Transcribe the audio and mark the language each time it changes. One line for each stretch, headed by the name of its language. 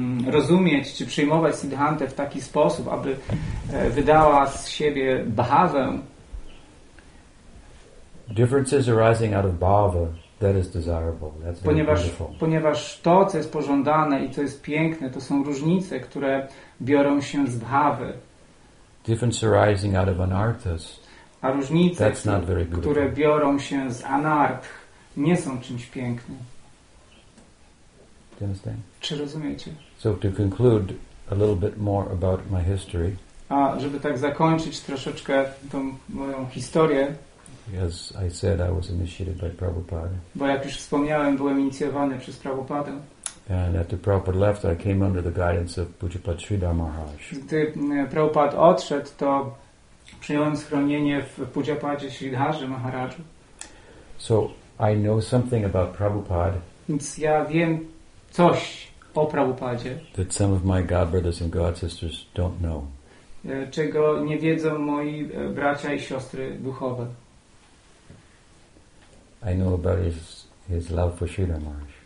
Polish: Rozumieć czy przyjmować Siddhantę w taki sposób, aby wydała z siebie bhawę.
English: Differences arising out of bhava, that is desirable. That's wonderful.
Polish: Ponieważ to, co jest pożądane i co jest piękne, to są różnice, które biorą się z bhawy.
English: Differences arising out of anarthas,
Polish: a różnice, które biorą się z anarth, nie są czymś pięknym.
English: Do you understand?
Polish: Czy rozumiecie?
English: So to conclude a little bit more about my history.
Polish: A żeby tak zakończyć troszeczkę tą moją historię.
English: As I said, I was initiated by Prabhupada.
Polish: Bo jak już wspomniałem, byłem inicjowany przez Prabhupadę.
English: And after Prabhupada left, I came under the guidance of Pujapad Sridhar Maharaj.
Polish: Gdy Prabhupada odszedł, to przyjąłem schronienie w Pujapadzie Sridharze Maharaju.
English: So I know something about Prabhupada.
Polish: Więc ja wiem coś o Prabhupadzie.
English: That some of my god brothers and god sisters don't know.
Polish: Czego nie wiedzą moi bracia i siostry duchowe.
English: I know about his love for Sridhar Maharaj.